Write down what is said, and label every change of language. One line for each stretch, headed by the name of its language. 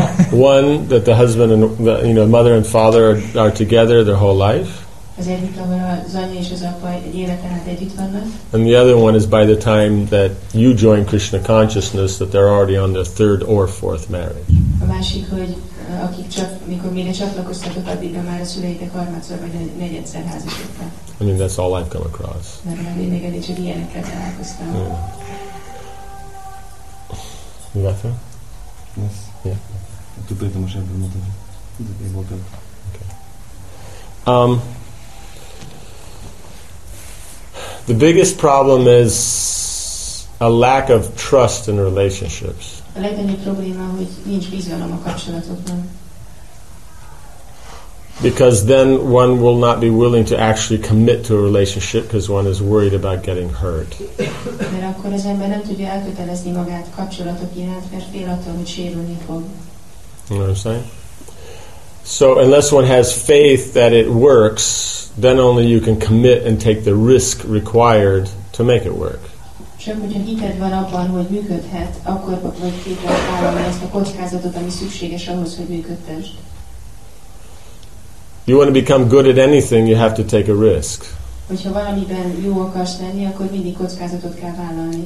English: One, that the husband and the, you know, mother and father are together their whole life. And the other one is by the time that you join Krishna consciousness that they're already on their third or fourth marriage.
Hungarian: A másik, hogy akik csak, mikor mire csatlakoztatok, addig már a szüleitek harmadszor vagy negyedszer házasodtak.
English: I mean, that's all I've come across.
Hungarian: Nem, még egyszer ilyenekkel találkoztam.
English: You got that? Yes. Yeah. Okay. The biggest problem is a lack of trust in relationships.
Hungarian: A legnagyobb probléma, hogy nincs bizalom a kapcsolatokban.
English: Because then one will not be willing to actually commit to a relationship because one is worried about getting hurt.
Hungarian: Mert akkor az ember nem tudja elkötelezni magát kapcsolatok iránt, mert fél attól, hogy sérülni fog.
English: You know what I'm saying? So unless one has faith that it works, then only you can commit and take the risk required to make it work.
Hungarian: Csak hogyha hited van abban, hogy működhet, akkor vagy képes vállalni ezt a kockázatot, ami szükséges ahhoz, hogy működtesd.
English: You want to become good at anything, you have to take a risk.
Hungarian: Hogyha valamiben jó akarsz lenni, akkor mindig kockázatot kell vállalni.